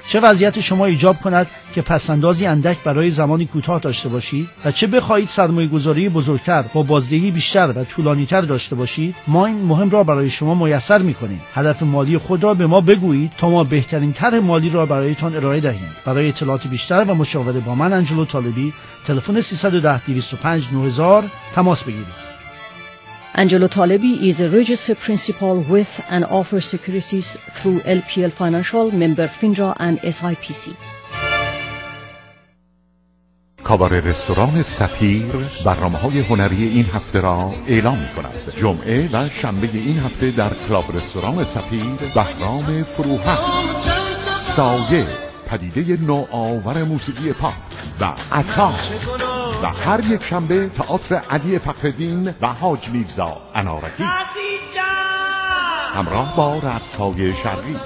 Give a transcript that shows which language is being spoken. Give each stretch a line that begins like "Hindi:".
Persian: چه وضعیت شما ایجاب کند که پسندازی اندک برای زمانی کوتاه داشته باشید و چه بخواهید سرمایه‌گذاری بزرگتر با بازدهی بیشتر و طولانی‌تر داشته باشید، ما این مهم را برای شما میسر می‌کنیم. هدف مالی خود را به ما بگویید تا ما بهترین طرح مالی را برایتان ارائه دهیم. برای اطلاعات بیشتر و مشاوره با من، آنجلو طالبی، تلفن 310-205-9000 تماس بگیرید.
English: Angelo Talebi is a registered principal with and offers securities through LPL Financial, member FINRA and SIPC.
Persian: کابار رستوران سفیر برنامه‌های هنری این هفته را اعلام می‌کند. جمعه و شنبه این هفته در کلاب رستوران سفیر بهرام فروهر، سایه، پدیده نوآور موسیقی پاپ و عطا، و هر یک شنبه تئاتر علی فخردین و حاج میرزا انارکی همراه با رقصهای شرقی.